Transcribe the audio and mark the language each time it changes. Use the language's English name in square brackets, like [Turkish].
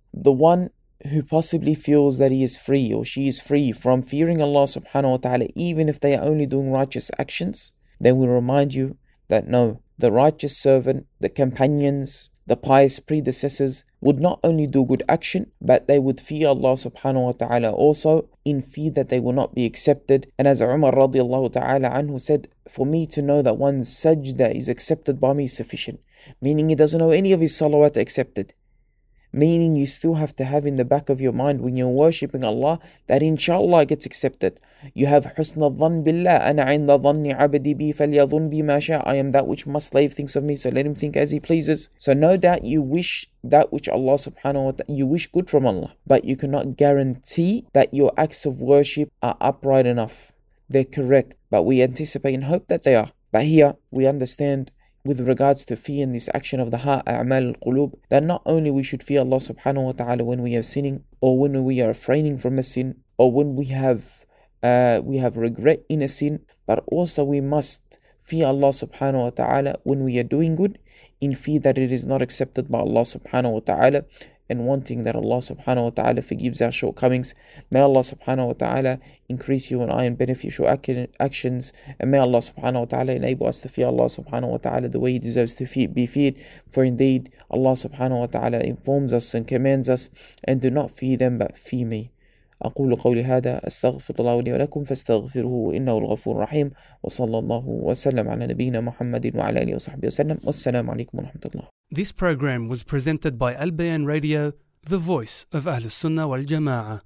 [English] The one who possibly feels that he is free or she is free from fearing Allah subhanahu wa ta'ala, even if they are only doing righteous actions, then we remind you that no, the righteous servant, the companions, the pious predecessors would not only do good action, but they would fear Allah subhanahu wa ta'ala also, in fear that they will not be accepted. And as Umar radiallahu ta'ala anhu said, for me to know that one's sajda is accepted by me is sufficient. Meaning he doesn't know any of his salawat accepted. Meaning you still have to have in the back of your mind when you're worshipping Allah that inshallah gets accepted. You have [Arabic] حسن الظن بالله أنا عند ظن عبدي بي فليظن بي ما شاء. [English] I am that which my slave thinks of me, so let him think as he pleases. So no doubt you wish that which Allah subhanahu wa ta'ala, you wish good from Allah, but you cannot guarantee that your acts of worship are upright enough. They're correct, but we anticipate and hope that they are. But here we understand with regards to fear and this action of the heart, a'mal al-qulub, that not only we should fear Allah subhanahu wa ta'ala when we are sinning, or when we are refraining from a sin, or when we have regret in a sin, but also we must fear Allah subhanahu wa ta'ala when we are doing good, in fear that it is not accepted by Allah subhanahu wa ta'ala, and wanting that Allah subhanahu wa ta'ala forgives our shortcomings. May Allah subhanahu wa ta'ala increase you and I in beneficial actions, and may Allah subhanahu wa ta'ala enable us to fear Allah subhanahu wa ta'ala the way He deserves to be feared. For indeed, Allah subhanahu wa ta'ala informs us and commands us, and do not fear them but fear me. [Arabic] أقول قولي هذا أستغفر الله لي ولكم فاستغفروه إنه الغفور الرحيم وصلى الله وسلم على نبينا محمد وعلى آله وصحبه وسلم والسلام عليكم ورحمة الله. [English] This program was presented by Al-Bayan Radio, the voice of Ahl-Sunnah wal-Jama'ah.